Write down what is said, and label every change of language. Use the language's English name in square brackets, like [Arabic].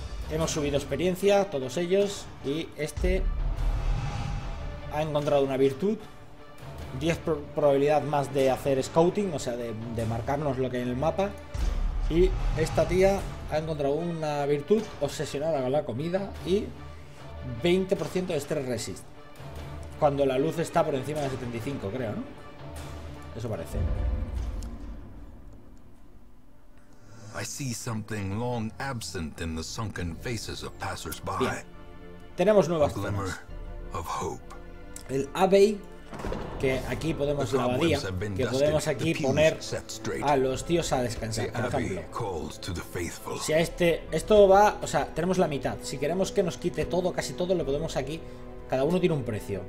[Spanish] Hemos subido experiencia, todos ellos. Y este ha encontrado una virtud: 10 probabilidad más de hacer scouting, o sea, de marcarnos lo que hay en el mapa. Y esta tía ha encontrado una virtud: obsesionada con la comida y 20% de stress resist cuando la luz está por encima de 75, creo, ¿no? Eso parece. [English] I see something long absent in the sunken faces of passersby. [Spanish] Bien. Tenemos nuevas [English] glimmer of hope. [Spanish] El abbey, que aquí podemos la abadía, que podemos aquí poner a los tíos a descansar, por ejemplo. Si a este, esto va, o sea, tenemos la mitad. Si queremos que nos quite todo, casi todo, lo podemos aquí. Cada uno tiene un precio.